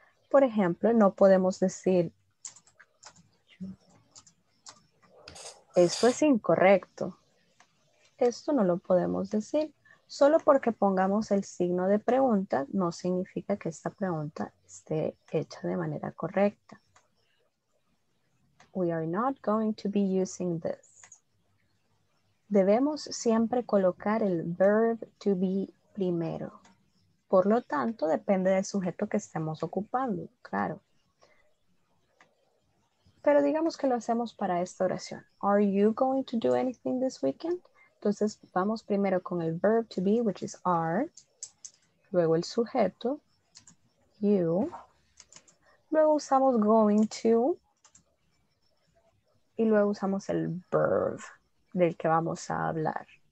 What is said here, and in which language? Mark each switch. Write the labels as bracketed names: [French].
[Spanish] Por ejemplo, no podemos decir, esto es incorrecto. Esto no lo podemos decir. Solo porque pongamos el signo de pregunta no significa que esta pregunta esté hecha de manera correcta. [English] We are not going to be using this. [Spanish] Debemos siempre colocar el verb to be primero. Por lo tanto, depende del sujeto que estemos ocupando, claro. Pero digamos que lo hacemos para esta oración. [English] Are you going to do anything this weekend? [Spanish] Entonces, vamos primero con el verb to be, [English] which is are, [Spanish] luego el sujeto, you, luego usamos going to, y luego usamos el verb del que vamos a hablar.